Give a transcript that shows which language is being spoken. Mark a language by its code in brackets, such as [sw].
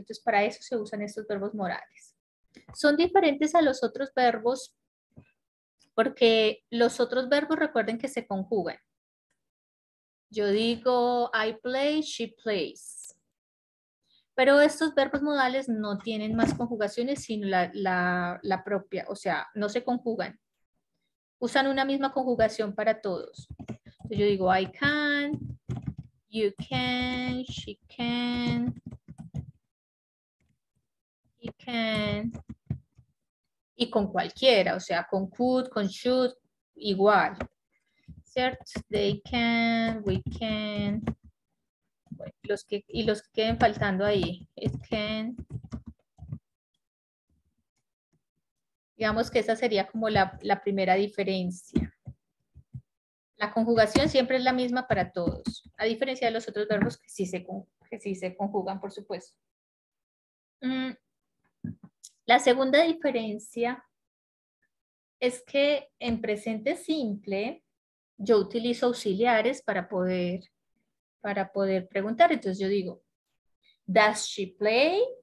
[es] Entonces para eso se usan estos verbos modales. Son diferentes a los otros verbos porque los otros verbos, recuerden que se conjugan. Yo digo, [en] I play, she plays. [es] Pero estos verbos modales no tienen más conjugaciones, sino la propia, o sea, no se conjugan. Usan una misma conjugación para todos. Entonces yo digo, [en] I can, you can, she can, he can. [es] Y con cualquiera, o sea, con could, con should, igual. ¿Cierto? [en] They can, we can. [es] Los que queden faltando ahí. [en] It can. [es] Digamos que esa sería como la primera diferencia. La conjugación siempre es la misma para todos. A diferencia de los otros verbos que sí se conjugan, por supuesto. La segunda diferencia es que en presente simple yo utilizo auxiliares para poder preguntar. Entonces yo digo, [en] does she play?